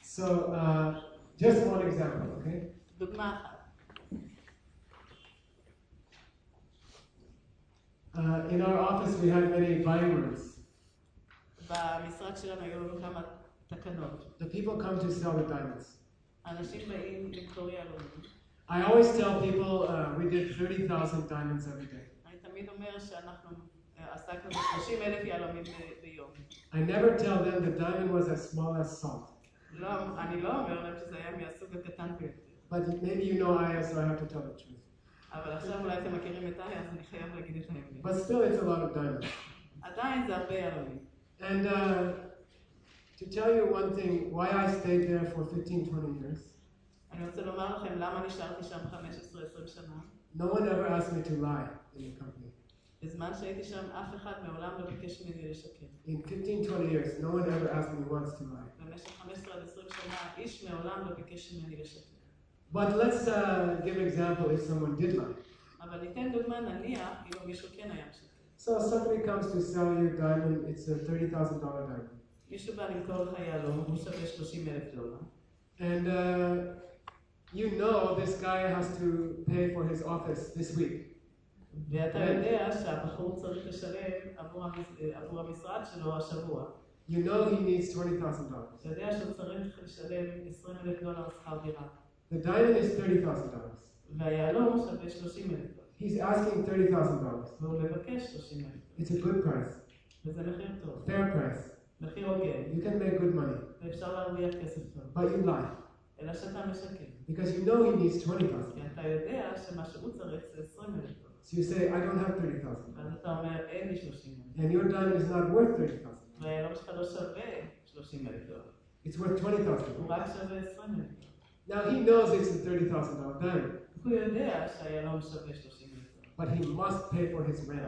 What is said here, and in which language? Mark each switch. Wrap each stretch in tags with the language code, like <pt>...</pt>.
<en>So, just one example, okay?</en> <he>Dugma.</he> <en>In our office, we had many vibrators.</en> <he>במשרד שלנו היו לנו כמה תקנות.</he> <en>The people come to sell the diamonds.</en> <he>אנשים באים לקנות יהלומים.</he> <en>I always tell people we did 30,000 diamonds every day.</en> <he>אני תמיד אומר שאנחנו עסקנו ב-30,000 יהלומים ביום.</he> <en>I never tell them the diamond was as small as salt.</en> <he>לא, אני לא אומר להם שזה היה מהסוג הקטן ביותר.</he> <en>But maybe you know I, so I have to tell the truth.</en> <he>אבל עכשיו אולי אתם מכירים את I, אז אני חייב להגיד את האמת.</he> <en>But still it's a lot of diamonds.</en> <he>עדיין זה הרבה יהלומים.</he> <en>And to tell you one thing, why I stayed there for 15-20 years.</en> <he>אני רוצה לומר לכם למה נשארתי שם 15-20 שנה.</he> <en>No one ever asked me to lie in the company.</en> <he>בזמן שהייתי שם אף אחד מעולם לא ביקש ממני לשקר.</he> <en>In 15-20 years, no one ever asked me once to lie.</en> <he>במשך 15-20 שנה, איש מעולם לא ביקש ממני לשקר.</he> <en>But let's give an example if someone did lie.</en> <he>אבל ניתן דוגמה נניח אם מישהו כן היה משקר.</he> <en>So somebody comes to sell you a diamond, it's a $30,000 diamond.</en> <he>מישהו בא למכור לך יהלום, הוא שווה 30,000 דולר.</he> <en>And you know this guy has to pay for his office this week.</en> <he>ואתה יודע שהבחור צריך לשלם עבור המשרד שלו השבוע.</he> <en>You know he needs $20,000.</en> <he>אתה יודע שהוא צריך לשלם 20,000 דולר שכר דירה.</he> <en>The diamond is $30,000.</en> <he>והיהלום שווה 30,000 דולר.</he> <en>He's asking $30,000.</en> <he>והוא מבקש 30,000.</he> <en>It's a good price.</en> <he>וזה מחיר טוב.</he> <en>Fair price.</en> <he>מחיר הוגן.</he> <en>You can make good money.</en> <he>ואפשר להרוויח כסף טוב.</he> <en>But you lie.</en> <he>אלא שאתה משקר.</he> <en>Because you know he needs 20,000.</en> <he>כי אתה יודע שמה שהוא צריך זה 20,000.</he> <en>So you say, I don't have 30,000.</en> <he>אז אתה אומר, אין לי 30,000.</he> <en>And your diamond is not worth 30,000.</en> <he>והיהלום שלך לא שווה 30,000.</he> <en>It's worth 20,000.</en> <he>הוא רק שווה 20,000.</he> <en>Now he knows it's a $30,000 diamond.</en> <he>הוא יודע שהיהלום שווה 30,000.</he> <en>But he must pay for his rent.</en>